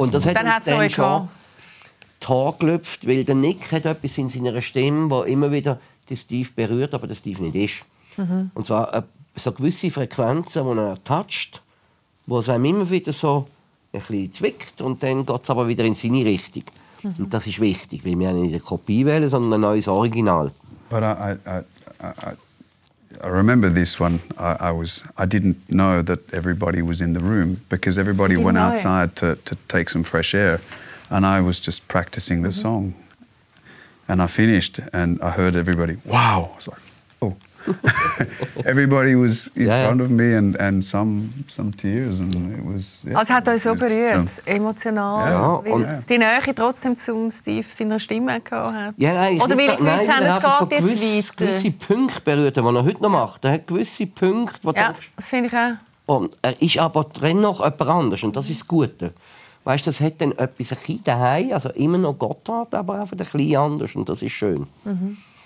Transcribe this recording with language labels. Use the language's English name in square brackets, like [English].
[German] Und das hat dann uns dann so schon Tor gelüpft, weil der Nick hat etwas in seiner Stimme, wo immer wieder die Steve berührt, aber der Steve nicht ist. Mhm. Und zwar so gewisse Frequenzen, die er toucht, wo es einem immer wieder so ein bisschen zwickt und dann geht es aber wieder in seine Richtung. Mhm. Und das ist wichtig, weil wir nicht eine Kopie wählen, sondern ein neues Original. [English] But I remember this one. I didn't know that everybody was in the room because everybody went outside to take some fresh air, and I was just practicing the song. And I finished, and I heard everybody. Wow! I was like, oh, everybody was in front of me, and some tears, and it was. [German] Yeah, also, hat euch so berührt, emotional, weil die Nähe trotzdem zum Steve seiner Stimme gehabt hat. Ja, gewisse Punkte berührt, die er heute noch macht. Er hat gewisse Punkte, die das finde ich auch. Und er ist aber drin noch jemand anders, und das ist das Gute. Weißt du, das hat dann etwas ein bisschen daheim, also immer noch Gotthard, aber einfach ein bisschen anders, und das ist schön. Mhm.